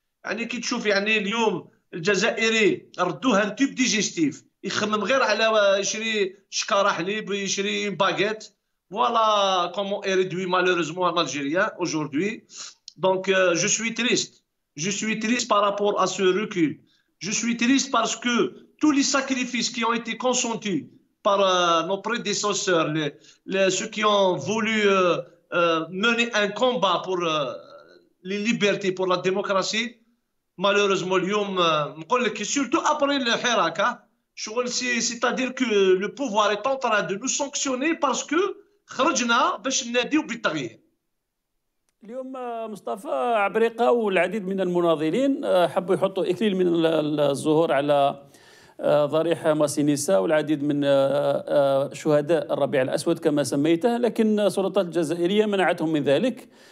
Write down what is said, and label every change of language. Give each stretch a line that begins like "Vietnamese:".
Arabic: يعني كي تشوف يعني اليوم الجزائري ردوه ان تيب ديجيستيف, يخمم غير على يشري شكارة حليب ويشري باغيت, فوالا كومو اريدوي مالوريزمون ان الجيريا aujourd'hui.
French: Donc je suis triste par rapport à ce recul. Je suis triste parce que tous les sacrifices qui ont été consentis par nos prédécesseurs, ceux qui ont voulu mener un combat pour les libertés, pour la démocratie, malheureusement, surtout après le Hirak, c'est-à-dire que le pouvoir est en train de nous sanctionner parce que Khrajna, Bachinadi ou Bittari.
Arabic: اليوم مصطفى عبريقه والعديد من المناضلين حبوا يحطوا اكليل من الزهور على ضريح ماسينيسا والعديد من شهداء الربيع الأسود كما سميته, لكن السلطات الجزائرية منعتهم من ذلك.